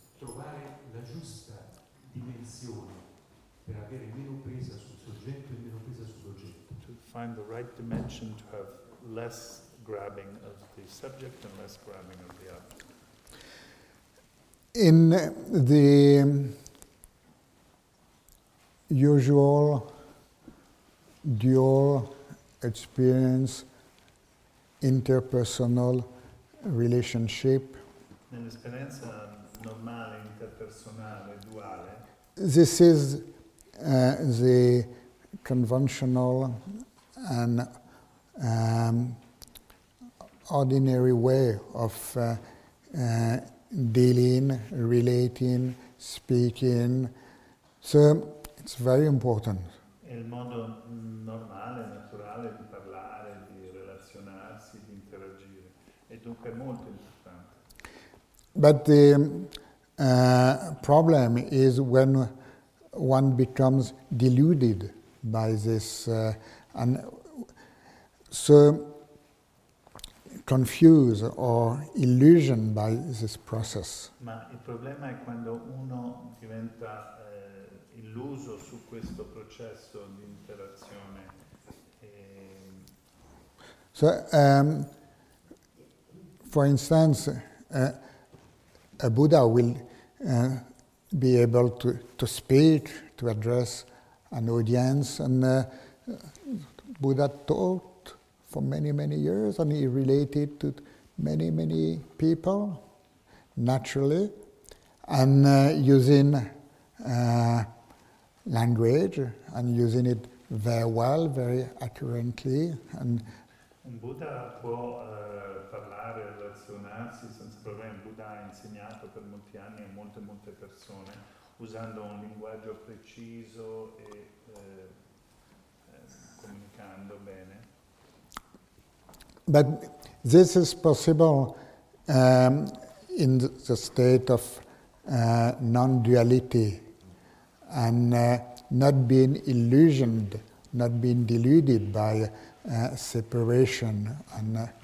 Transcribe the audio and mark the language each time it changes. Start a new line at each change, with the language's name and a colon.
Italian: Trovare la giusta dimensione per avere meno presa sul soggetto e meno presa sull'oggetto.
English: To find the right dimension to have less grabbing of the subject and less grabbing of the object. In the usual dual experience interpersonal relationship,
Italian: nell'esperienza normale, interpersonale, duale.
English: This is the conventional and ordinary way of dealing, relating, speaking. So it's very important.
Italian: Il modo normale, naturale di parlare, di relazionarsi, di interagire. E dunque molto importante.
English: But the problem is when one becomes deluded by this and so confused or illusioned by this process.
Italian: Ma il problema è quando uno diventa illuso su questo processo di interazione.
English: So, for instance, a Buddha will be able to speak, to address an audience, and Buddha taught for many, many years, and he related to many, many people, naturally, and using language, and using it very well, very accurately. And
Italian: Buddha può parlare, relazionarsi senza problemi. Buddha ha insegnato per molti anni a molte, molte persone usando un linguaggio preciso e comunicando bene.
English: But this is possible in the state of non-duality and not being illusioned, not being deluded by separation and